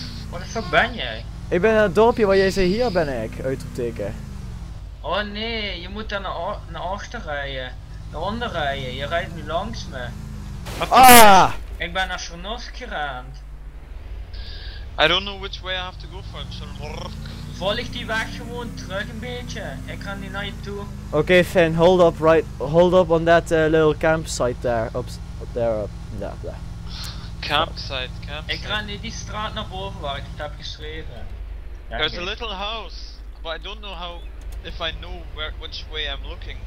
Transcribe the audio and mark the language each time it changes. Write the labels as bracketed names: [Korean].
[English] What the fuck [Dutch] ben jij? Ik ben in het dorpje waar jij zei hier ben ik, uitroepteken. Oh nee, je moet daar naar achter rijden. Naar onder rijden, je rijdt nu langs me. Ah! Ik ben naar Chernosk gerend. [English] I don't know which way I have to go for Chernosk. [Dutch] Volg die weg gewoon terug een beetje, ik ga niet naar je toe. [English] Okay, Finn, hold up right, hold up on that little campsite there. Oops, up there, up, yeah, there. Campsite. [Dutch] Ik ga niet die straat naar boven waar ik het heb geschreven. [English] Ja, there's okay. A little house, but I don't know how, if I know where, which way I'm looking.